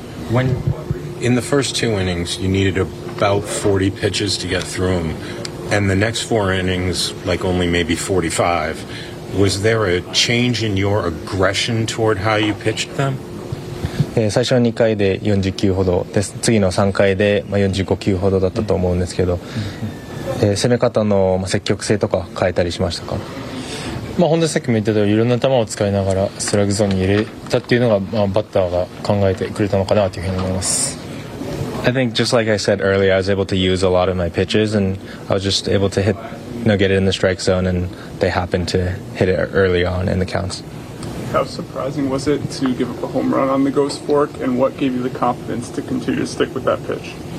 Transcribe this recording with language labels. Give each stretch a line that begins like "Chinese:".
English: When in the first two innings, you needed about 40 pitches to get through them, and the next four innings, like only maybe 45. Was there a change in your aggression toward how you pitched them?
Japanese: 最初の2回で49球ほどだったと思うんですけど、攻め方の積極性とか変えたりしましたか？本当にさっきも言ったように、いろんな球を使いながらストライクゾーンに入れたっていうのがバッターが考えてくれたのかなというふうに思います。
English: I think just like I said earlier, I was able to use a lot of my pitches and I was just able to hit, get it in the strike zone and they happened to hit it early on in the counts. How surprising was it to give up a home run on the ghost fork, and what gave you the confidence to continue to stick with that pitch?